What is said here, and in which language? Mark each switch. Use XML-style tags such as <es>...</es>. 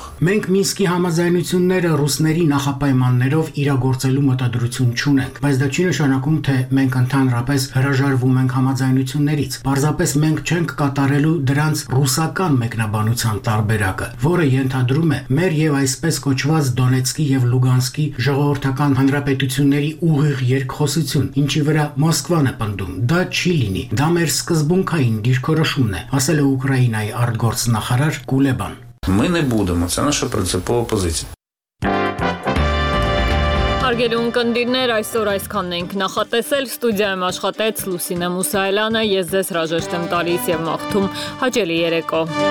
<hy>Մենք Մինսկի համաձայնությունները ռուսների նախապայմաններով իրագործելու մտադրություն չունենք, բայց դա չի նշանակում, թե մենք ընդհանրապես հրաժարվում ենք համաձայնություններից։ Պարզապես մենք չենք կատարելու դրանց ռուսական մեկնաբանության տարբերակը, որը ենթադրում է մեր և այսպես կոչված Դոնեցկի և Լուգանսկի ժողովրդական հանրապետությունների ուղիղ երկխոսություն, ինչի վրա Մոսկվան է պնդում։ Դա չի լինի, դա մեր սկզբունքային դիրքորոշումն է, ասել է Ուկրաինայի արտգործնախարար Կուլեբան։</hy> <uk>Ми не будемо, це наша принципова позиція.</uk> <hy>Հարգելի ընկերներ, այսօր այսքանն ենք նախատեսել, ստուդիայում աշխատեց Լուսինե Մուսայելյանը, ես ձեզ հրաժեշտ եմ տալիս և մաղթում հաճելի երեկո։</hy>